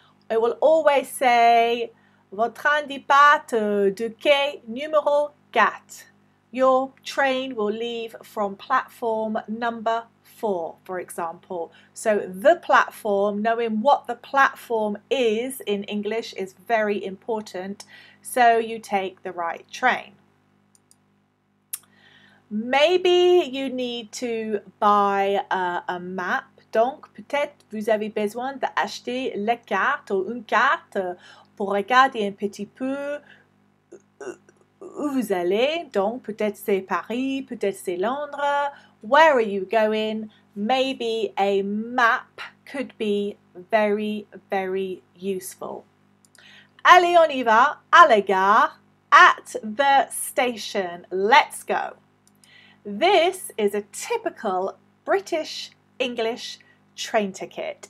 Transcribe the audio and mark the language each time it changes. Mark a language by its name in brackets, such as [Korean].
[English] It will always say, [French] votre train départ du quai numéro 4. [English] Your train will leave from platform number 4, for example. So the platform, knowing what the platform is in English is very important. So you take the right train. Maybe you need to buy a map. [French] Donc peut-être vous avez besoin d'acheter la carte ou une carte pour regarder un petit peu où vous allez. Donc peut-être c'est Paris, peut-être c'est Londres. [English] Where are you going? Maybe a map could be very, very useful. [French] Allez, on y va. À la gare. [English] At the station. Let's go. This is a typical British English train ticket.